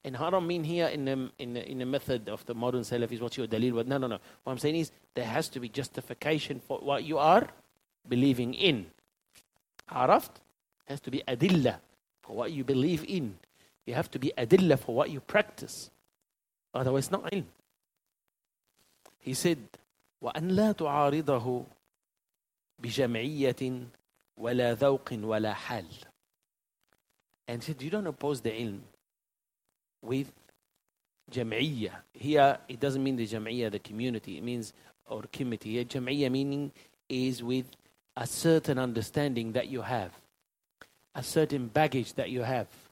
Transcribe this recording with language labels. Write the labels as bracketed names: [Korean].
[English] And I don't mean here in the method of the modern Salafis, what's your dalil? What? No. What I'm saying is, there has to be justification for what you are believing in. Araft? Has to be adilla for what you believe in. You have to be adilla for what you practice. Otherwise, not ilm. He said, [Arabic] وَأَنْ لَا تُعَارِضَهُ بِجَمْعِيَّةٍ وَلَا ذَوْقٍ وَلَا حَالٍ. [English] And he said, you don't oppose the ilm with jam'iyyah. Here, it doesn't mean the jam'iyyah, the community. It means, or committee. Jam'iyyah meaning is with a certain understanding that you have. A certain baggage that you have.